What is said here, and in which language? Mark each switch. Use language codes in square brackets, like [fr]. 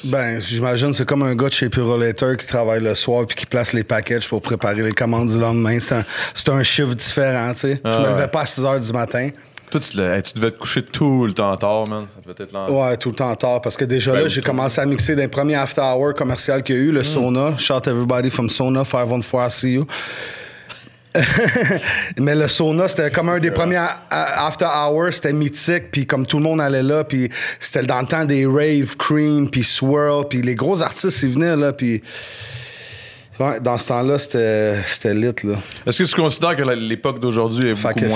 [fr] Ben, j'imagine, c'est comme un gars de chez Purolator qui travaille le soir puis qui place les packages pour préparer les commandes du lendemain. C'est un chiffre différent, tu sais. Je me levais pas à 6 heures du matin. Toi, tu devais te coucher tout le temps tard, man. Ouais, tout le temps tard. Parce que déjà, j'ai commencé à mixer d'un premier after hour commercial qu'il y a eu, le Sona. [en] Shout everybody from Sona, 514, I see you. [fr] Mais le Sona, c'était un des premiers after hours, c'était mythique, puis comme tout le monde allait là, puis c'était dans le temps des Rave, Cream, puis Swirl, puis les gros artistes, ils venaient là, puis ouais, dans ce temps-là, c'était lit, là. Est-ce que tu considères que l'époque d'aujourd'hui est beaucoup moins lit?